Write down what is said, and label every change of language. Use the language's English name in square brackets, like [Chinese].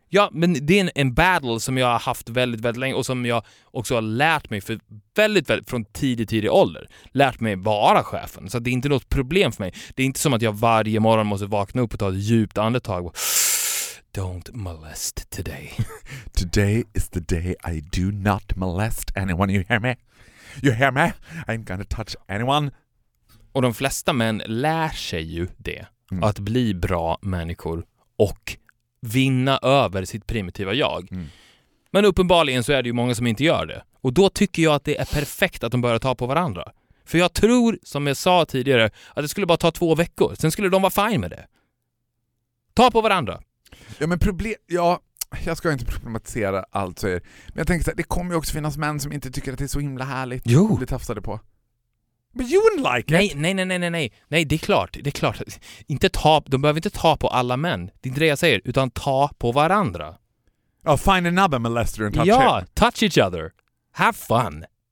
[Swedish] Ja, men det är en battle som jag har haft väldigt, väldigt länge och som jag också har lärt mig för väldigt, väldigt från tidig ålder. Lärt mig vara chefen. Så det är inte något problem för mig. Det är inte som att jag varje morgon måste vakna upp och ta ett djupt andetag. [English] Don't molest today. Today is the day I do not molest anyone. You hear me? You hear me? I'm gonna touch anyone. [Swedish] Och de flesta män lär sig ju det. Mm. Att bli bra människor och vinna över sitt primitiva jag. Mm. Men uppenbarligen så är det ju många som inte gör det. Och då tycker jag att det är perfekt att de börjar ta på varandra. För jag tror, som jag sa tidigare, att det skulle bara ta 2 veckor. Sen skulle de vara fine med det. Ta på varandra. Ja, men jag ska inte problematisera allt så här. Men jag tänker så här, det kommer ju också finnas män som inte tycker att det är så himla härligt. Jo. Det tafsade på. [English] But you wouldn't like it. [Swedish] Nej, det är klart. De behöver inte ta på alla män. Det är inte det jag säger, utan ta på varandra. [English] Oh, find another molester and touch him. Ja, touch each other. Have fun.